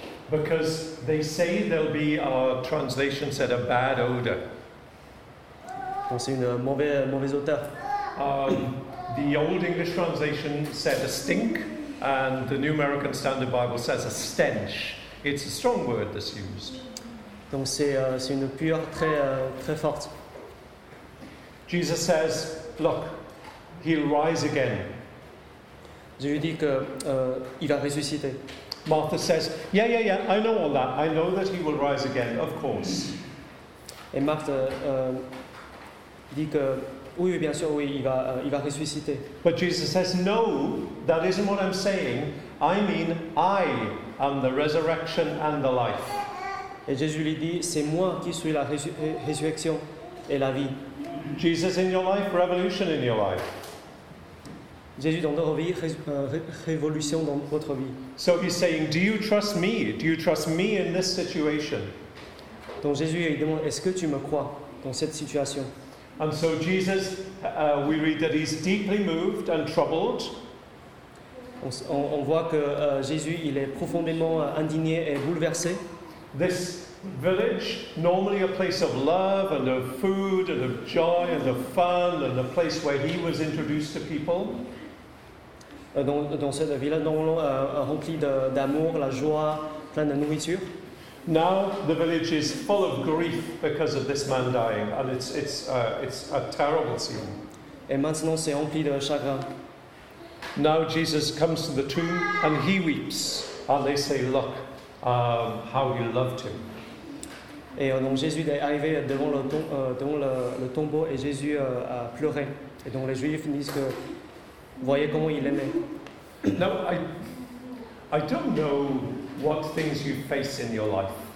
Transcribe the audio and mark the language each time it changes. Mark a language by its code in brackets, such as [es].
[en] Because they say there'll be, our translation said, a bad odor. [fr] Donc c'est une mauvaise odeur. [en] The old English translation said a stink, and the New American Standard Bible says a stench. It's a strong word that's used. [fr] Donc c'est une pueur très très forte. [en] Jesus says, look, he'll rise again. [fr] Je lui dis que il va ressusciter. [en] Martha says, "Yeah, yeah, yeah. I know all that. I know that he will rise again, of course." [fr] Et Martha dit que oui, bien sûr, oui, il va ressusciter. [en] But Jesus says, "No, that isn't what I'm saying. I mean, I am the resurrection and the life." [fr] Et Jésus lui dit, c'est moi qui suis la résurrection et la vie. [en] Jesus in your life, revolution in your life. [fr] Jésus dans votre vie, révolution dans votre vie. [en] So he's saying, do you trust me? Do you trust me in this situation? [fr] Donc Jésus il demande, est-ce que tu me crois dans cette situation? [en] And so Jesus, we read that he's deeply moved and troubled. [fr] On voit que Jésus il est profondément indigné et bouleversé. [en] This village, normally a place of love and of food and of joy and of fun and a place where he was introduced to people. [fr] Dans cette ville, normalement, rempli d'amour, la joie, plein de nourriture. [en] Now the village is full of grief because of this man dying, and it's a terrible scene. [fr] Et maintenant c'est rempli de chagrin. [en] Now Jesus comes to the tomb and he weeps, and they say, "Look, how you loved him." [fr] Et donc Jésus est arrivé devant le tombeau et Jésus a pleuré. Et donc les Juifs disent que voyez comment il aimait. [en] Now I don't know what things you face in your life.